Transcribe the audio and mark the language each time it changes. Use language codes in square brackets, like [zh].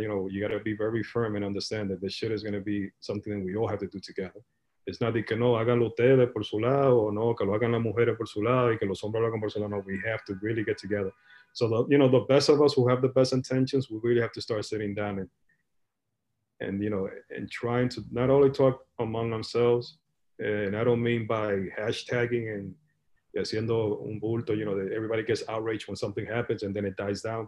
[en] You know, you got to be very firm and understand that this shit is going to be something that we all have to do together. It's not [es] que no hagan ustedes por su lado, or no que lo hagan las mujeres por su lado, y que los hombres lo hagan por su lado. [en] No, we have to really get together. So the best of us who have the best intentions, we really have to start sitting down and trying to not only talk among ourselves. And I don't mean by hashtagging and [es] haciendo un bulto, [en] you know, that everybody gets outraged when something happens and then it dies down.